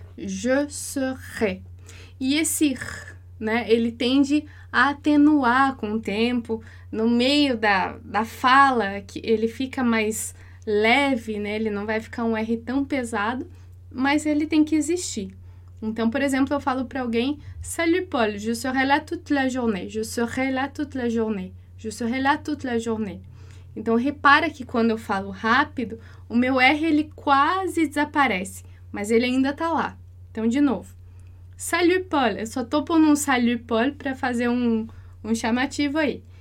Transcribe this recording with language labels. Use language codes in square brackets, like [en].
[fr] Je serai. [pt] E esse, né, ele tende a atenuar com o tempo, no meio da fala, que ele fica mais leve, né, ele não vai ficar um R tão pesado, mas ele tem que existir. Então, por exemplo, eu falo para alguém, [fr] Salut Paul, je serai là toute la journée. Je serai là toute la journée. Je serai là toute la journée. [pt] Então, repara que quando eu falo rápido, o meu R ele quase desaparece, mas ele ainda está lá. Então, de novo, [fr] Salut Paul, [pt] eu só tô pondo um Salut Paul para fazer um chamativo aí.